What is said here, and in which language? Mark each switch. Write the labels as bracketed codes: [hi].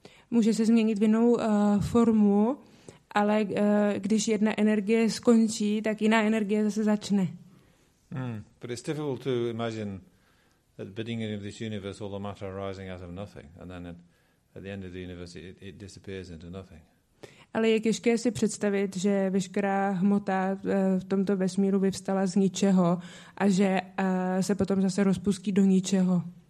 [cs] Může se změnit v jinou formu, ale když jedna energie skončí, tak jiná energie zase začne. [en] But it's difficult to imagine at the beginning of this universe all the matter arising out of nothing and then at the end of the universe it disappears into nothing. [cs] Ale je těžké si představit, že veškerá hmota v tomto vesmíru vyvstala z ničeho a že se potom zase rozpustí do ničeho.